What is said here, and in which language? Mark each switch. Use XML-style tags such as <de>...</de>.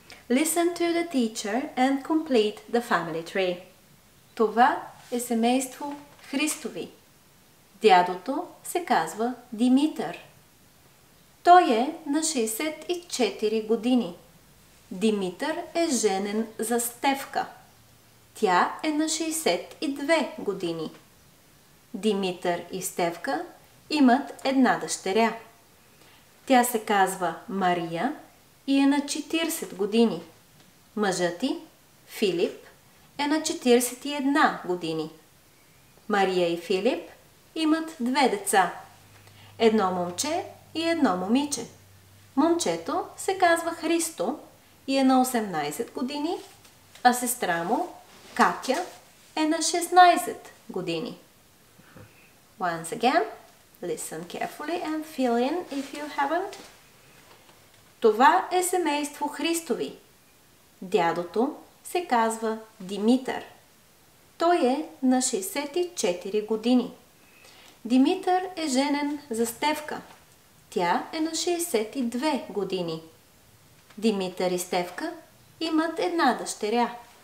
<en>Listen to the teacher and complete the family tree.</en> <bg>Това е семейство Христови. Дядото се казва Димитър. Той е на 64 години. Димитър е женен за Стефка. Тя е на 62 години. Димитър и Стефка имат една дъщеря. Тя се казва Мария и е на 40 години. Мъжът ти, Филип, е на 41 години. Мария и Филип имат две деца. Едно момче и едно момиче. Момчето се казва Христо и е на 18 години, а сестра му, Катя, е на 16 години.</bg> <en>Once again, listen carefully and fill in if you haven't.</en> <bg>Това е семейство Христови. Дядото се казва Димитър. Той е на 64 години. Димитър е женен за Стефка. Тя е на 62 години. Димитър и Стефка имат една дъщеря.</bg>